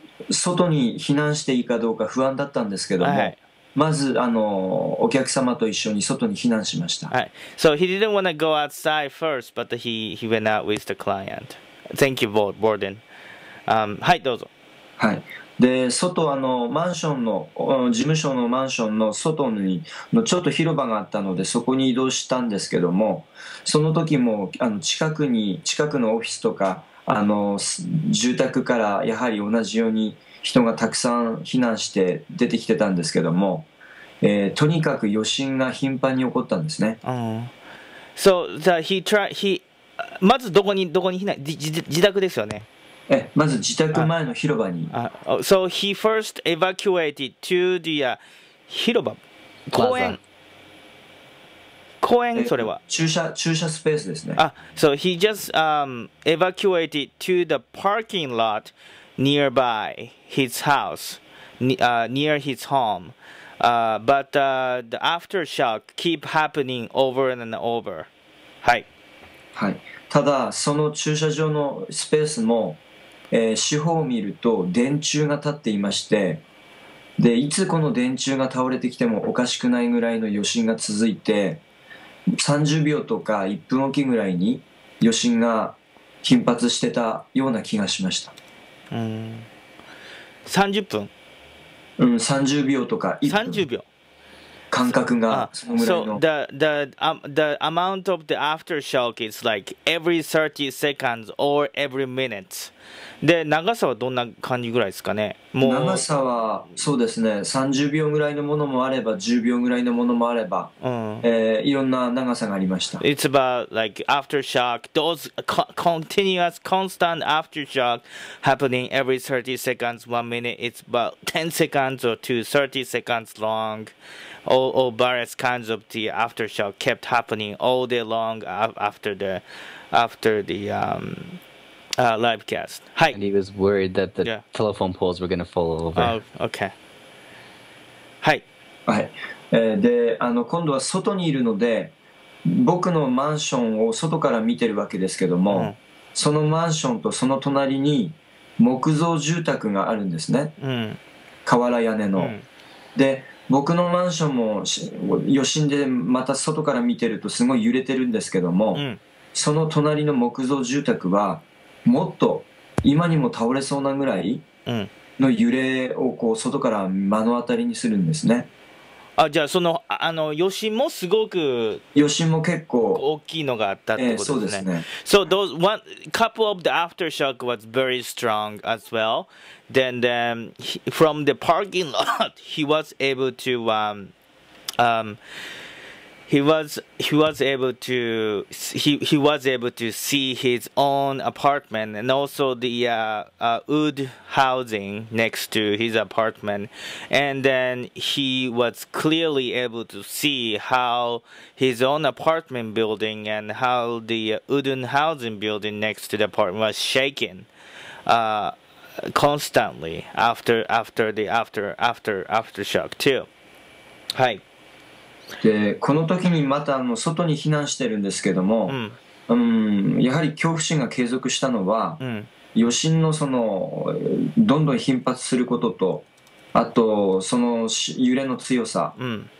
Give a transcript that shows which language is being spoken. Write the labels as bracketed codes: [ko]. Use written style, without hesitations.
[ja] 外に避難していいかどうか不安だったんですけども、はい、まずお客様と一緒に外に避難しました。はい。 [en] So he didn't want to go outside first, but he went out with the client. Thank you, Borden. はい、どうぞ。 [ja] はい。で外マンションの事務所のマンションの外にちょっと広場があったのでそこに移動したんですけども、その時も近くのオフィスとか住宅からやはり同じように人がたくさん避難して出てきてたんですけども、とにかく余震が頻繁に起こったんですね。 So that he tried, he, まずどこに避難、自宅ですよね。まず自宅前の広場に。 [en] So he first evacuated to the 広場。公園。公園それは。 [ja] 駐車スペースですね。 [en] So he just evacuated to the parking lot nearby his house, near his home. But the aftershock keep happening over and over. [ja] はい。はい。ただその駐車場のスペースも四方を見ると電柱が立っていまして、でいつこの電柱が倒れてきてもおかしくないぐらいの余震が続いて、30秒とか1分おきぐらいに余震が頻発してたような気がしました。 30分、 30秒とか1分、 30秒間隔がそのぐらいの、 [en] the amount of the aftershock is like every 30 seconds or every minute で、長さはどんな感じぐらいですかね。 [ja] もう長さはそうですね、30秒ぐらいのものもあれば10秒ぐらいのものもあれば、いろんな長さがありました。 [en] It's about like aftershock, those continuous constant aftershock happening every 30 seconds, 1 minute, it's about 10 seconds or 30 seconds long. All various kinds of the aftershock kept happening all day long after the live cast. Hi. And he was worried that the telephone poles were going to fall over. Oh, okay. Hi. Hi. [ja] で、今度は外にいるので、僕のマンションを外から見てるわけですけども、そのマンションとその隣に木造住宅があるんですね。瓦屋根の。で、僕のマンションも余震でまた外から見てるとすごい揺れてるんですけども、その隣の木造住宅はもっと今にも倒れそうなぐらいの揺れをこう外から目の当たりにするんですね。じゃあその余震もすごく余震も結構大きいのがあったってことですね。そうですね。 [en] So those one couple of the aftershock was very strong as well. Then from the parking lot, he was able to He was able to see his own apartment and also the wood housing next to his apartment, and then he was clearly able to see how his own apartment building and how the wooden housing building next to the apartment was shaking constantly after the aftershock too. [ja] はい。でこの時にまた外に避難してるんですけども、やはり恐怖心が継続したのは、余震のどんどん頻発することと、あとその揺れの強さ、うん、